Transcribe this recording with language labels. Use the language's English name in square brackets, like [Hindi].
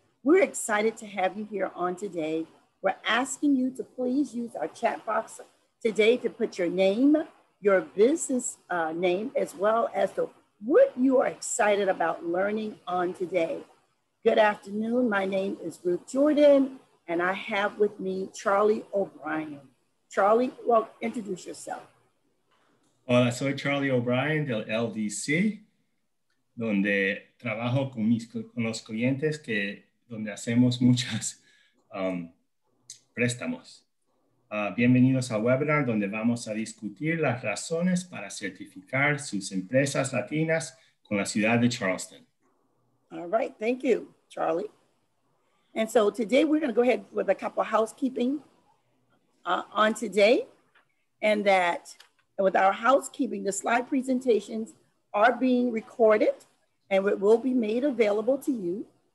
[English] We're excited to have you here on today. We're asking you to please use our chat box today to put your name, your business name, as well as the what you are excited about learning on today. Good afternoon, my name is Ruth Jordan, and I have with me Charlie O'Brien. Charlie, well, introduce yourself. [Spanish] Hola, soy Charlie O'Brien del LDC, donde trabajo con mis con los clientes que donde hacemos muchas préstamos. Bienvenidos a webinar donde vamos a discutir las razones para certificar sus empresas latinas con la ciudad de Charleston. [English] All right, thank you, Charlie. And so today we're gonna go ahead with a couple of housekeeping on today. And that with our housekeeping, the slide presentations are being recorded and it will be made available to you.